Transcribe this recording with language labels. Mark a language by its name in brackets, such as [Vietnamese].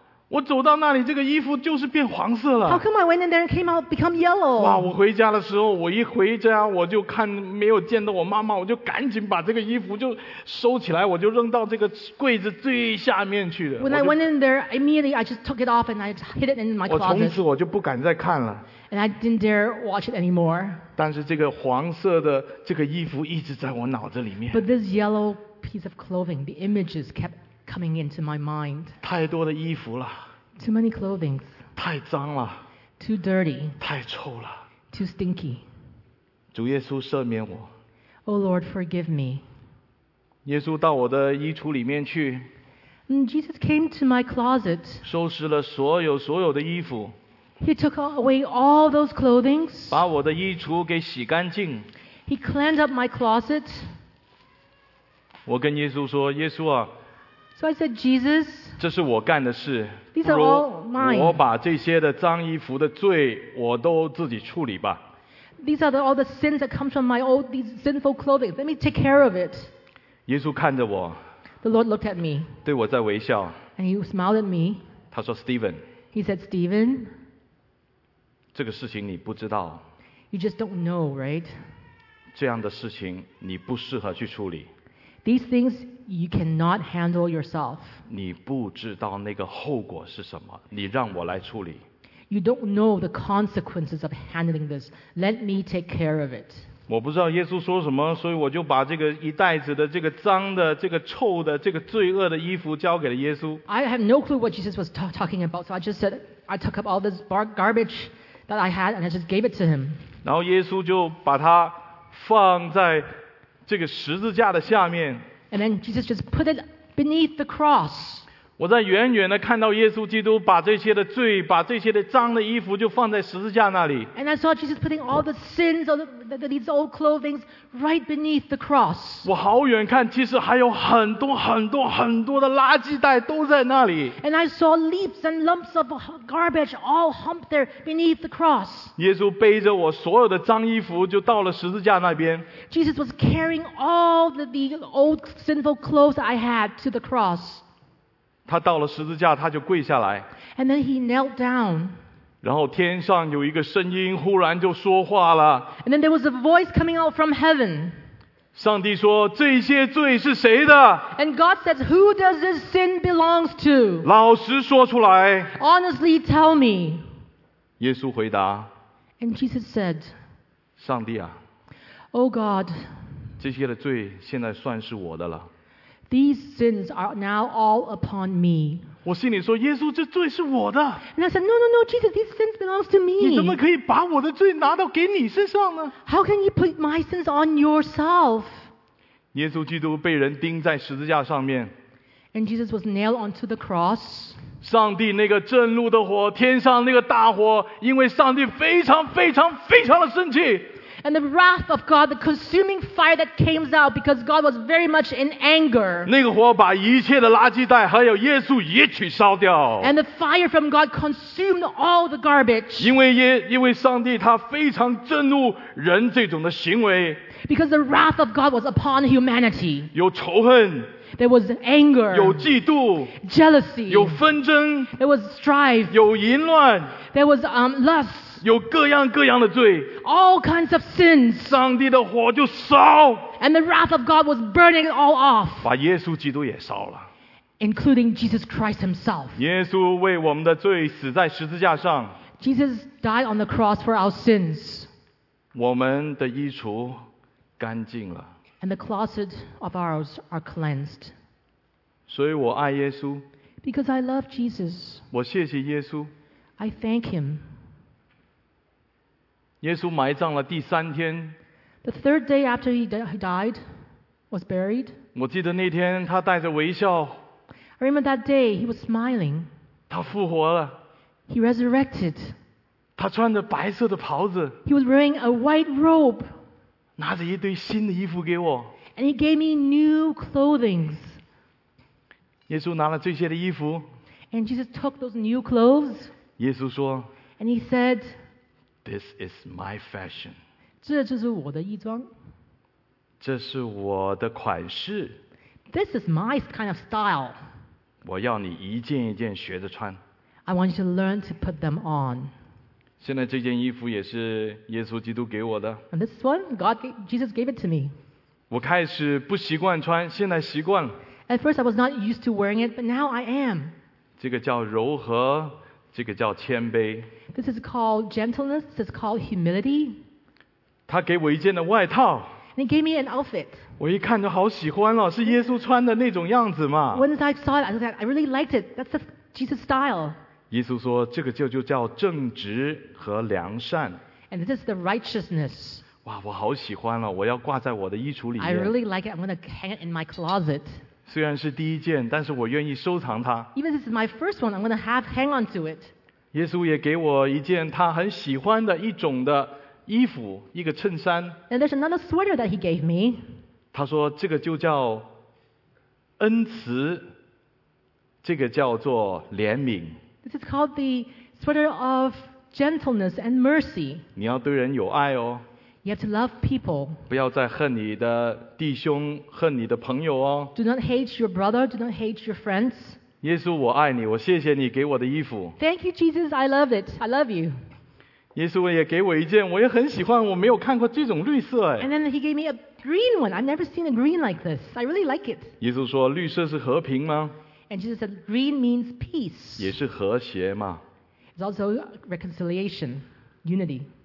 [Chinese] 我走到那里，这个衣服就是变黄色了。 [English] How come I went in there and came out become yellow? [Chinese] 哇，我回家的时候，我一回家我就看没有见到我妈妈，我就赶紧把这个衣服就收起来，我就扔到这个柜子最下面去了。 [English] When I went in there, immediately I just took it off and I hid it in my closet. [Chinese] 我从此我就不敢再看了。 [English] And I didn't dare watch it anymore. [Chinese] 但是这个黄色的这个衣服一直在我脑子里面。 [English] But this yellow piece of clothing, the images kept coming into my mind. [Chinese] 太多的衣服了。 [English] Too many clothings. [Chinese] 太脏了。 [English] Too dirty. [Chinese] 太臭了。 [English] Too stinky. [Chinese] 主耶稣赦免我。 [English] Oh Lord, forgive me. [Chinese] 耶稣到我的衣橱里面去。 [English] Jesus came to my closet. [Chinese] 收拾了所有的衣服。 [English] He took away all those clothings. [Chinese] 把我的衣橱给洗干净。 [English] He cleaned up my closet. [Chinese] 我跟耶稣说，耶稣啊。 [English] So I said, Jesus, [Chinese] 这是我干的事。 [English] These are all mine. [Chinese] 我把这些的脏衣服的罪，我都自己处理吧。 [English] These are all the sins that come from my old, these sinful clothing. Let me take care of it. [Chinese] 耶稣看着我。 [English] The Lord looked at me. [Chinese] 对我在微笑。 [English] And he smiled at me. [Chinese] 他说 ，Stephen。 [English] He said, Stephen。 [Chinese] 这个事情你不知道。 [English] You just don't know, right? [Chinese] 这样的事情你不适合去处理。 [English] These things you cannot handle yourself. [Chinese] 你不知道那个后果是什么，你让我来处理。 [English] You don't know the consequences of handling this. Let me take care of it. [Chinese] 我不知道耶稣说什么，所以我就把这个一袋子的这个脏的、这个臭的、这个罪恶的衣服交给了耶稣。 [English] I have no clue what Jesus was talking about, so I just said I took up all this garbage that I had and I just gave it to him. [Chinese] 然后耶稣就把它放在这个十字架的下面。 [English] And then Jesus just put it beneath the cross. [Chinese] 我在远远的看到耶稣基督把这些的罪，把这些的脏的衣服就放在十字架那里。 [English] And I saw Jesus putting all the sins of these old clothings right beneath the cross. [Chinese] 我好远看，其实还有很多很多很多的垃圾袋都在那里。 [English] And I saw leaves and lumps of garbage all humped there beneath the cross. [Chinese] 耶稣背着我所有的脏衣服就到了十字架那边。 [English] Jesus was carrying all the old sinful clothes I had to the cross. [Chinese] 他到了十字架，他就跪下来。 [English] And then he knelt down. [Chinese] 然后天上有一个声音忽然就说话了。 [English] And then there was a voice coming out from heaven. [Chinese] 上帝说，这些罪是谁的？ [English] And God says, who does this sin belongs to? [Chinese] 老实说出来。 [English] Honestly tell me. [Chinese] 耶稣回答。 [English] And Jesus said, [Chinese] 上帝啊。 [English] Oh God. [Chinese] 这些的罪现在算是我的了。 [English] These sins are now all upon me. [Chinese] 我心里说，耶稣，这罪是我的。 [English] And I said, no, no, no, Jesus, these sins belong to me. [Chinese] 你怎么可以把我的罪拿到给你身上呢？ [English] How can you put my sins on yourself? [Chinese] 耶稣基督被人钉在十字架上面。 [English] And Jesus was nailed onto the cross. [Chinese] 上帝那个震怒的火，天上那个大火，因为上帝非常非常非常的生气。 [English] And the wrath of God, the consuming fire that came out because God was very much in anger. [Chinese] 那个火把一切的垃圾袋还有耶稣一起烧掉。 [English] And the fire from God consumed all the garbage. [Chinese] 因为上帝他非常震怒人这种的行为。 [English] Because the wrath of God was upon humanity. [Chinese] 有仇恨。 [English] There was anger. [Chinese] 有嫉妒。 [English] Jealousy. [Chinese] 有纷争。 [English] There was strife. [Chinese] 有淫乱。 [English] There was lust. [Chinese] 有各样各样的罪。 [English] All kinds of sins. [Chinese] 上帝的火就烧。 [English] And the wrath of God was burning it all off. [Chinese] 把耶稣基督也烧了。 [English] Including Jesus Christ himself. [Chinese] 耶稣为我们的罪死在十字架上。 [English] Jesus died on the cross for our sins. [Chinese] 我们的衣橱干净了。 [English] And the closet of ours are cleansed. [Chinese] 所以我爱耶稣。 [English] Because I love Jesus. [Chinese] 我谢谢耶稣。 [English] I thank him. [Chinese] 耶稣埋葬了第三天。 [English] The third day after he died, was buried. [Chinese] 我记得那天他带着微笑。 [English] I remember that day he was smiling. [Chinese] 他复活了。 [English] He resurrected. [Chinese] 他穿着白色的袍子。 [English] He was wearing a white robe. [Chinese] 拿着一堆新的衣服给我。 [English] And he gave me new clothing. [Chinese] 耶稣拿了这些的衣服。 [English] And Jesus took those new clothes. [Chinese] 耶稣说。 [English] And he said, "This is my fashion." [Chinese] 这就是我的衣装。这是我的款式。 [English] This is my kind of style. [Chinese] 我要你一件一件学着穿。 [English] I want you to learn to put them on. [Chinese] 现在这件衣服也是耶稣基督给我的。 [English] And this one, God, Jesus gave it to me. [Chinese] 我开始不习惯穿，现在习惯了。 [English] At first, I was not used to wearing it, but now I am. [Chinese] 这个叫柔和，这个叫谦卑。 [English] This is called gentleness. This is called humility. [Chinese] 他给我一件的外套。 [English] And he gave me an outfit. [Chinese] 我一看就好喜欢了，是耶稣穿的那种样子嘛。 [English] When I saw it, I said, I really liked it. That's the Jesus style. [Chinese] 耶稣说，这个就叫正直和良善。 [English] And this is the righteousness. [Chinese] 哇，我好喜欢了，我要挂在我的衣橱里面。 [English] I really like it. I'm going to hang it in my closet. [Chinese] 虽然是第一件，但是我愿意收藏它。 [English] Even if this is my first one, I'm going to have hang on to it. [Chinese] 耶稣也给我一件他很喜欢的一种的衣服，一个衬衫。 [English] And there's another sweater that he gave me. [Chinese] 他说这个就叫恩慈，这个叫做怜悯。 [English] This is called the sweater of gentleness and mercy. [Chinese] 你要对人有爱哦。 [English] You have to love people. [Chinese] 不要再恨你的弟兄，恨你的朋友哦。 [English] Do not hate your brother. Do not hate your friends. [Chinese] 耶稣，我爱你，我谢谢你给我的衣服。 [English] Thank you, Jesus. I love it. I love you. [Chinese] 耶稣也给我一件，我也很喜欢，我没有看过这种绿色。 [English] And then he gave me a green one. I've never seen a green like this. I really like it. [Chinese] 耶稣说绿色是和平吗？ [English] And Jesus said green means peace. [Chinese] 也是和谐嘛。 [English] It's also reconciliation, unity.